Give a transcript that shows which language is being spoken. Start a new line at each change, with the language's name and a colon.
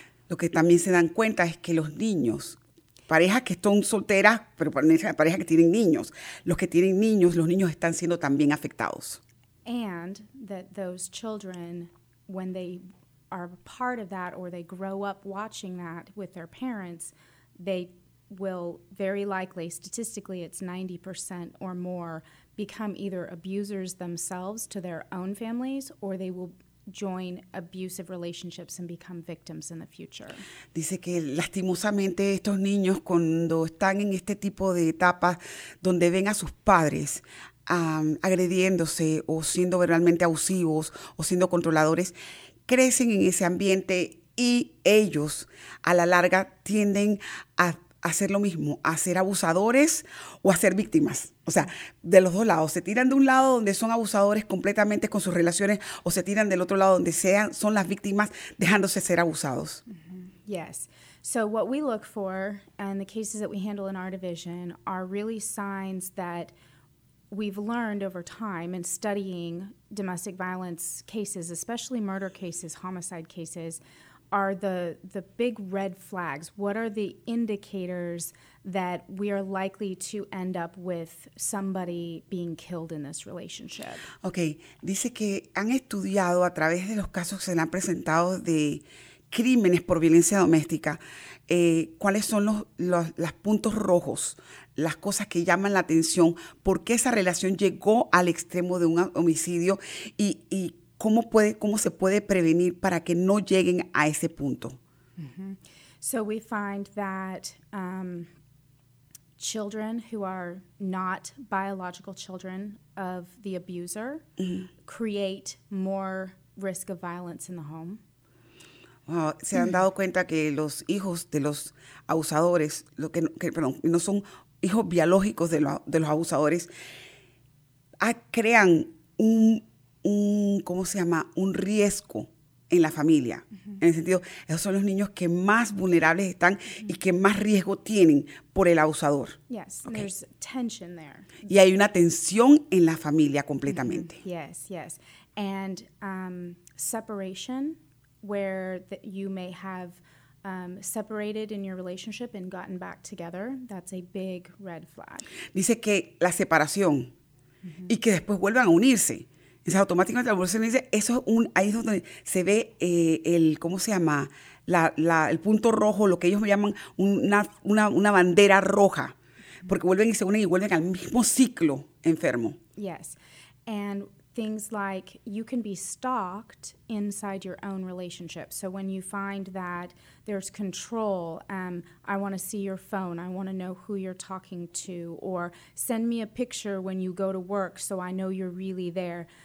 Spanish: Lo que también se dan cuenta es que los niños, parejas que son solteras, pero parejas que tienen niños. Los niños están siendo también afectados.
English: And that those children, when they are part of that or they grow up watching that with their parents, they will very likely, statistically it's 90% or more, become either abusers themselves to their own families or they will join abusive relationships and become victims in the future.
Spanish: Dice que lastimosamente estos niños cuando están en este tipo de etapa donde ven a sus padres agrediéndose o siendo verbalmente abusivos o siendo controladores, crecen en ese ambiente y ellos a la larga tienden a hacer lo mismo, a ser abusadores o a ser víctimas. O sea, de los dos lados. Se tiran de un lado donde son abusadores completamente con sus relaciones o se tiran del otro lado donde sean, son las víctimas dejándose ser abusados.
English: Mm-hmm. Yes. So what we look for and the cases that we handle in our division are really signs that we've learned over time in studying domestic violence cases, especially murder cases, homicide cases, are the big red flags. What are the indicators that we are likely to end up with somebody being killed in this relationship?
Spanish: Okay, dice que han estudiado a través de los casos que se han presentado de crímenes por violencia doméstica, cuáles son los puntos rojos, las cosas que llaman la atención, por qué esa relación llegó al extremo de un homicidio y cómo se puede prevenir para que no lleguen a ese punto. Mm-hmm.
English: So we find that children who are not biological children of the abuser create more risk of violence in the home. Wow.
Spanish: Se han dado cuenta que los hijos de los abusadores, no son hijos biológicos de los abusadores, crean un riesgo en la familia. Mm-hmm. En el sentido, esos son los niños que más vulnerables están, mm-hmm, y que más riesgo tienen por el abusador.
English: Yes, okay. There's tension there.
Spanish: Y hay una tensión en la familia completamente.
English: Mm-hmm. Yes, yes. And separation, where you may have separated in your relationship and gotten back together, that's a big red flag.
Spanish: Dice que la separación, mm-hmm, y que después vuelvan a unirse. O sea, automáticamente la abuelo dice, eso es un, ahí es donde se ve el punto rojo, lo que ellos llaman una bandera roja, porque vuelven y se unen y vuelven al mismo ciclo enfermo.
English: Yes, and things like you can be stalked inside your own relationship. So when you find that there's control, I want to see your phone, I want to know who you're talking to, or send me a picture when you go to work so I know you're really there.